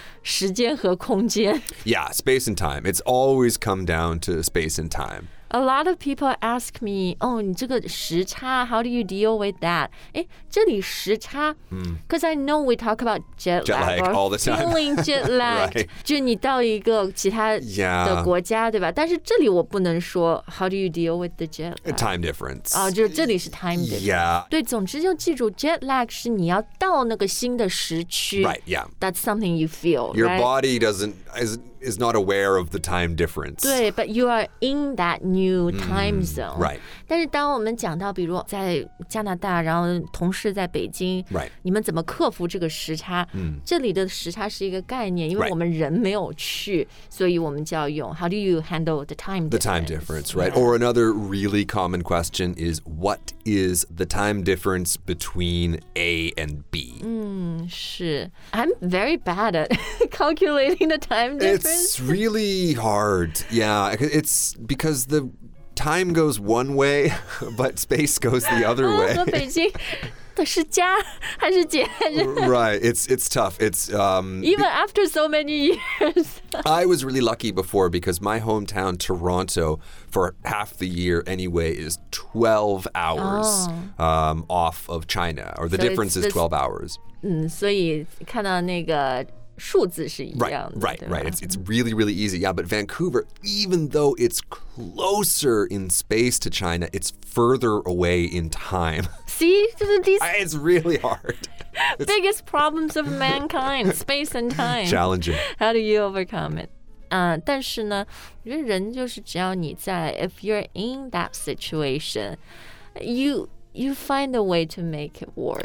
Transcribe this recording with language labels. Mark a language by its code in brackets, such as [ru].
[zh] 时间和空间 [en] Yeah, space and time. It's always come down to space and time. A lot of people ask me, oh, [zh] 你这个时差, [en] how do you deal with that? [zh] 这里时差, [en] because I know we talk about jet lag all the time. Feeling jet lag. right. [zh] 就你到一个其他的国家, [en] yeah. [zh] 对吧?但是这里我不能说, [en] how do you deal with the jet lag? Time difference. [zh] 就这里是 [en] time difference. Yeah. [zh] 对,总之就记住, [en] jet lag [zh] 是你要到那个新的时区。 [en] Right, yeah. That's something you feel, Your right? body doesn't... is not aware of the time difference. [zh] 对, [en] but you are in that new time zone. Right. [zh] 但是当我们讲到比如在加拿大然后同事在北京 [en] Right. [zh] 你们怎么克服这个时差、这里的时差是一个概念因为我们人没有去、所以我们就要用 [en] How do you handle the time difference? The time difference, right? Yeah. Or another really common question is What is the time difference between A and B? [zh] 是 [en] I'm very bad at calculating the time difference. It's really hard, yeah. It's because the time goes one way, but space goes the other way. [zh] 和北京的是加还是减？ [en] Right, it's tough. It's, Even after so many years. I was really lucky before because my hometown, Toronto, for half the year anyway, is 12 hours off of China, or the difference is 12 hours. [zh] 所以看到那个数字是一样的 [en] right, right, right. It's really, really easy. Yeah, but Vancouver, even though it's closer in space to China, it's further away in time. See? It's really hard. Biggest problems of mankind, space and time. Challenging. How do you overcome it? [zh] 但是呢，我觉得人就是只要你在 [en] if you're in that situation, You find a way to make it work.